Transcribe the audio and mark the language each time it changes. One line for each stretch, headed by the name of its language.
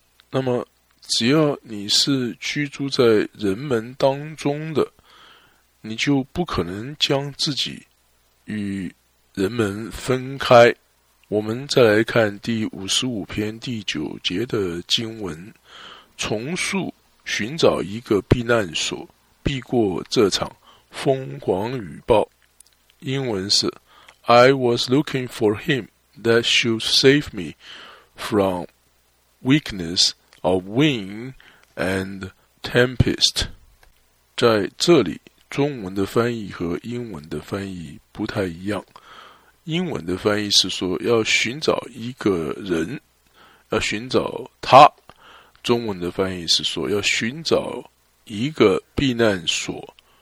Chinese: 那么只要你是居住在人们当中的，你就不可能将自己与人们分开。我们再来看第55篇第9节的经文。从树寻找一个避难所，避过这场疯狂雨暴。英文是
English: I was looking for him that should save me from weakness of wind and tempest.
Chinese: 在这里中文的翻译和英文的翻译不太一样。英文的翻译是说要寻找一个人，要寻找他。中文的翻译是说要寻找一个避难所。